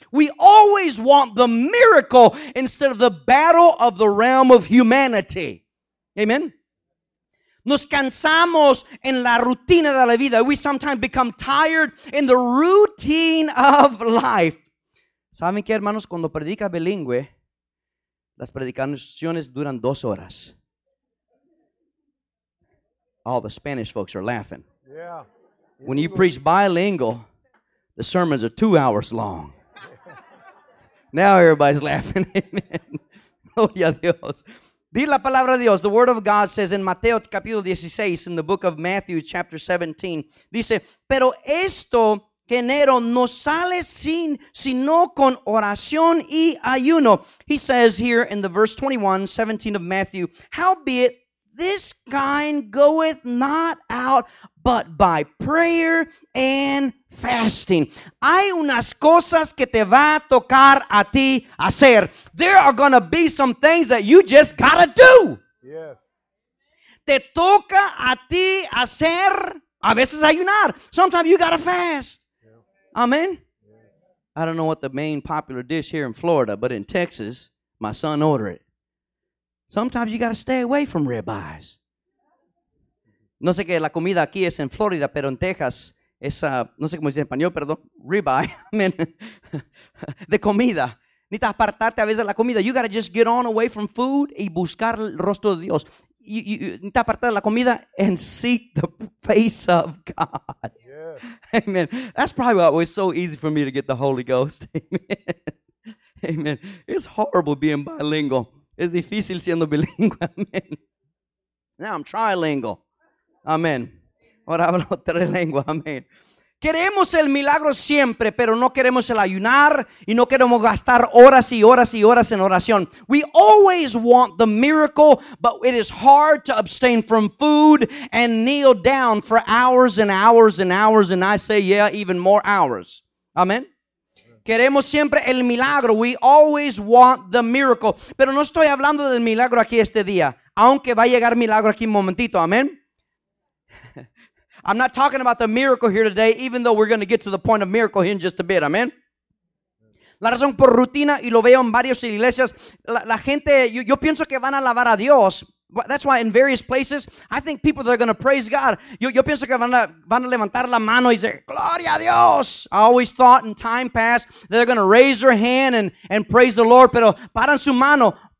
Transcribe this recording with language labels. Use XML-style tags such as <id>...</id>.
<en>We always want the miracle instead of the battle of the realm of humanity. Amen.</en> <es>Nos cansamos en la rutina de la vida.</es> <en>We sometimes become tired in the routine of life.</en> <es>¿Saben qué, hermanos? Cuando predica bilingüe, las predicaciones duran 2 horas.</es> <en>All the Spanish folks are laughing. Yeah. When you preach bilingual, the sermons are 2 hours long. Yeah. Now everybody's laughing. Amen. Gloria a Dios.</en> <es>Di la palabra de Dios.</es> <en>The word of God says in</en> <es>Mateo capítulo 16,</es> <en>in the book of Matthew chapter 17,</en> <es>dice, pero esto genero no sale sino con oración y ayuno.</es> <en>He says here in the verse 21, 17 of Matthew, howbeit this kind goeth not out but by prayer and fasting.</en> <es>Hay unas cosas que te va a tocar a ti hacer.</es> <en>There are going to be some things that you just got to do. Yes.</en> <es>Te toca a ti hacer, a veces ayunar.</es> <en>Sometimes you got to fast. Amen. I don't know what the main popular dish here in Florida, but in Texas, my son ordered it. Sometimes you got to stay away from ribeyes.</en> <es>No sé qué la comida aquí es en Florida, pero en Texas es, no sé cómo dice en español, perdón, ribeye. Amen. De comida. Necesitas apartarte a veces de la comida.</es> <en>You got to just get on away from food</en> <es>y buscar el rostro de Dios.</es> <en>You need to</en> <es>apartar la comida</es> <en>and seek the face of God. Yeah. Amen. That's probably why it was so easy for me to get the Holy Ghost. Amen. Amen. It's horrible being bilingual.</en> <es>Es difícil siendo bilingüe. Amen.</es> <en>Now I'm trilingual.</en> <es>Amen. Ahora hablo tres lenguas. Amen. Queremos el milagro siempre, pero no queremos el ayunar y no queremos gastar horas y horas y horas en oración.</es> <en>We always want the miracle, but it is hard to abstain from food and kneel down for hours and hours and hours, and I say, yeah, even more hours. Amen.</en> <es>Queremos siempre el milagro.</es> <en>We always want the miracle.</en> <es>Pero no estoy hablando del milagro aquí este día, aunque va a llegar milagro aquí un momentito. Amen.</es> <en>I'm not talking about the miracle here today, even though we're going to get to the point of miracle here in just a bit. Amen.</en> <es>La razón por rutina, y lo veo en varias iglesias, la gente, yo pienso que van a alabar a Dios.</es> <en>That's why in various places, I think people that are going to praise God,</en> <es>yo pienso que van a levantar la mano y decir, Gloria a Dios.</es> <en>I always thought in time past, they're going to raise their hand and praise the Lord,</en> <es>pero paran su mano.</es>